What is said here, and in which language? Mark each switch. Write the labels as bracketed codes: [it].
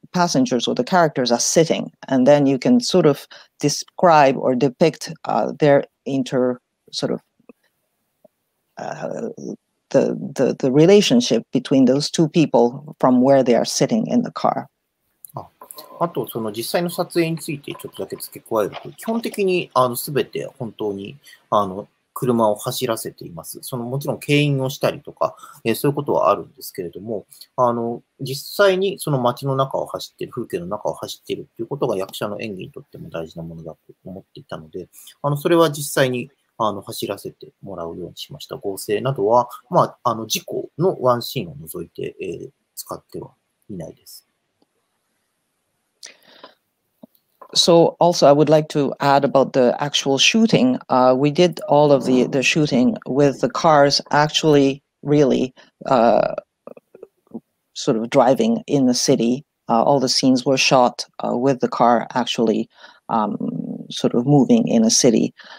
[en] passengers or the characters are sitting, and then you can sort of describe or depict their inter sort of the relationship between those two people from where they are sitting in the car. [ja] あとその実際の撮影についてちょっとだけ付け加えると、基本的にすべて本当に車を走らせています。そのもちろん牽引をしたりとか、そういうことはあるんですけれども、実際にその街の中を走っている、風景の中を走っているということが役者の演技にとっても大事なものだと思っていたので、それは実際に走らせてもらうようにしました。合成などは、事故のワンシーンを除いて、使ってはいないです。 [en] So also I would like to add about the actual shooting. We did all of the shooting with the cars actually really sort of driving in the city. All the scenes were shot with the car actually sort of moving in a city.